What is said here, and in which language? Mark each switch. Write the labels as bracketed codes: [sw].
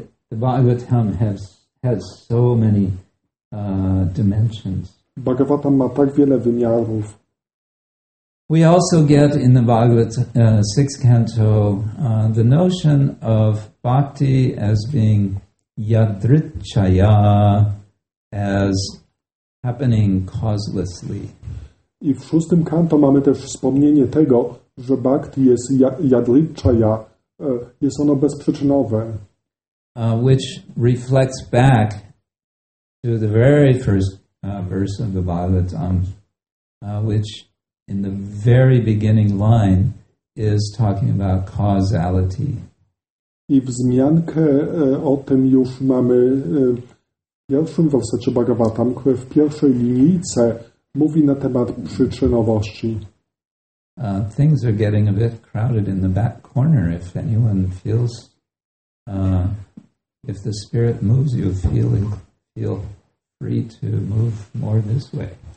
[en] The Bhagavatam has so many dimensions. [pl] Bhagavatam ma tak wiele wymiarów. [en] We also get in the Bhagavad 6th canto the notion of bhakti as being yadrichaya, as happening causelessly. [pl] I w 6th canto mamy też wspomnienie tego, że bhakti jest yadrichaya, jest ono bezprzyczynowe. [en] Which reflects back to the very first verse of the Bhagavatam, which in the very beginning line is talking about causality. [pl] I wzmiankę o tym już mamy w pierwszym wersecie Bhagavatam, który w pierwszej linijce mówi na temat przyczynowości. [en] Things are getting a bit crowded in the back corner. If anyone feels, if the spirit moves you, feel free to move more this way.